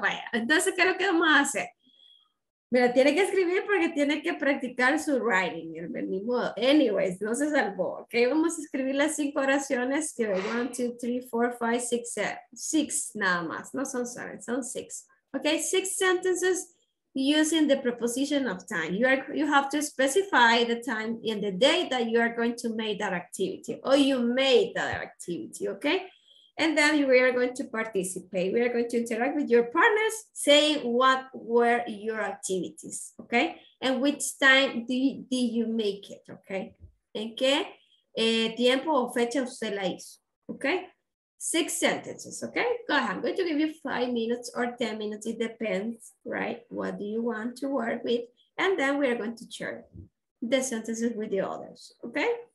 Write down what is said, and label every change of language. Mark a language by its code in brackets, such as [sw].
[es] Vaya, entonces, ¿qué es lo que vamos a hacer? Mira, tiene que escribir porque tiene que practicar su writing, ni modo. Anyways, no se salvó, ¿ok? Vamos a escribir las 5 oraciones, que 1, 2, 3, 4, 5, 6, 7, 6 nada más, no son 7, son 6. [en] Ok, 6 sentences using the preposition of time. You have to specify the time and the day that you are going to make that activity, or you made that activity, ¿ok? And then we are going to participate. We are going to interact with your partners, saying what were your activities, okay? And which time did you make it, okay? [es] ¿En qué tiempo o fecha usted la hizo, okay? [en] 6 sentences, okay? Go ahead. I'm going to give you 5 minutes or 10 minutes. It depends, right? What do you want to work with? And then we are going to share the sentences with the others, okay?